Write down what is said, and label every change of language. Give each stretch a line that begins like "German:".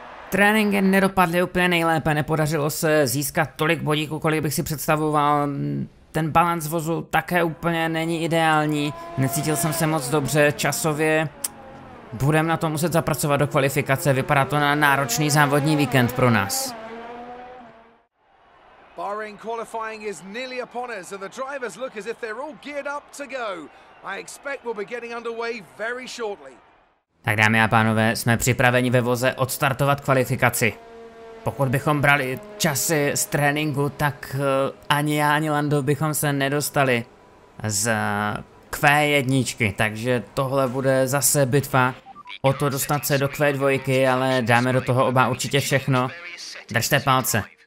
Czech: Tréninky nedopadly úplně nejlépe, nepodařilo se získat tolik bodíků, kolik bych si představoval. Ten balanc vozu také úplně není ideální, necítil jsem se moc dobře časově. Budem na to muset zapracovat do kvalifikace, vypadá to na náročný závodní víkend pro nás.
English: Bahrain qualifying is nearly upon us and the drivers look as if they're all geared up to go. I expect we'll be getting underway very shortly.
Czech: Tak dámy a pánové, jsme připraveni ve voze odstartovat kvalifikaci. Pokud bychom brali časy z tréninku, tak ani já, ani Lando bychom se nedostali z Q1, takže tohle bude zase bitva o to dostat se do Q2, ale dáme do toho oba určitě všechno. Držte palce.